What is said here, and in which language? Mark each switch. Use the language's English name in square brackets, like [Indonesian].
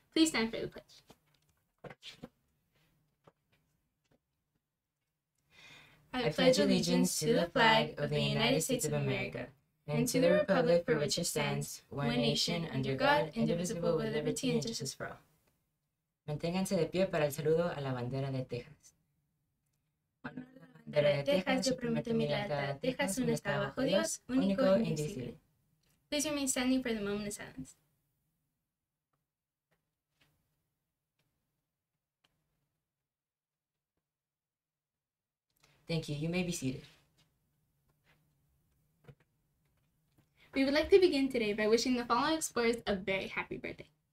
[English] Please stand for the pledge. I pledge allegiance to the flag of the United States of America, and to the republic for which it stands, one nation, under God, indivisible, with liberty and justice for all. [Spanish] Manténganse de pie para el saludo a la bandera de Texas. Honor la bandera de Texas, yo prometo mi lealtad a Texas, un estado bajo Dios, único e indivisible. [English] Please remain standing for the moment of silence. Thank you. You may be seated. We would like to begin today by wishing the following explorers a very happy birthday.